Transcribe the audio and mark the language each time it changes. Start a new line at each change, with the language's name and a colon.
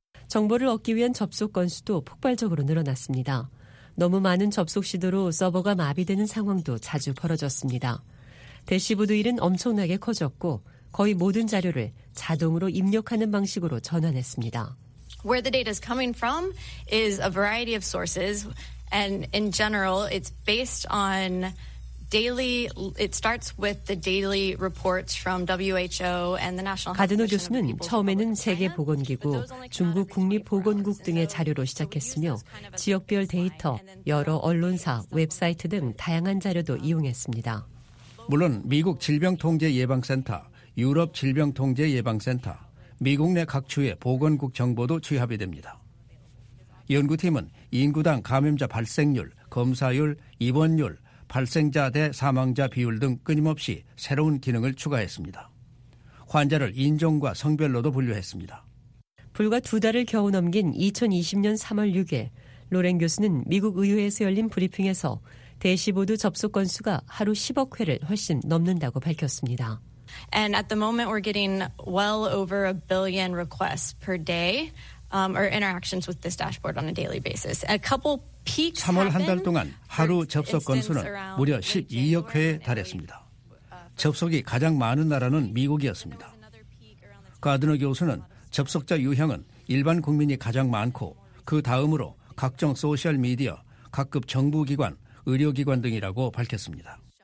Korean: 정보를 얻기 위한 접속 건수도 폭발적으로 늘어났습니다. 너무 많은 접속 시도로 서버가 마비되는 상황도 자주 벌어졌습니다. 대시보드 일은 엄청나게 커졌고 거의 모든 자료를 자동으로 입력하는 방식으로 전환했습니다.
English: Where the data is coming from is a variety of sources, and in general, it's based on daily. It starts with the daily reports from WHO and the National.
Korean: 가드노 교수는 처음에는 세계 보건기구, 중국 국립 보건국 등의 자료로 시작했으며 지역별 데이터, 여러 언론사, 웹사이트 등 다양한 자료도 이용했습니다. 물론 미국 질병통제예방센터, 유럽 질병통제예방센터, 미국 내 각 주의 보건국 정보도 취합이 됩니다. 연구팀은 인구당 감염자 발생률, 검사율, 입원율, 발생자 대 사망자 비율 등 끊임없이 새로운 기능을 추가했습니다. 환자를 인종과 성별로도 분류했습니다. 불과 두 달을 겨우 넘긴 2020년 3월 6일, 로렌 교수는 미국 의회에서 열린 브리핑에서 대시보드 접속 건수가 하루 10억 회를 훨씬 넘는다고 밝혔습니다.
English: And at the moment we're getting well over a billion requests per day or interactions with this dashboard on a daily basis. A couple peaks
Korean: 3월 한 달 동안 하루 접속 건수는 무려 12억 회에 달했습니다. 접속이 가장 많은 나라는 미국이었습니다. 가드너 교수는 접속자 유형은 일반 국민이 가장 많고 그 다음으로 각종 소셜 미디어, 각급 정부 기관, 의료기관 등이라고 밝혔습니다.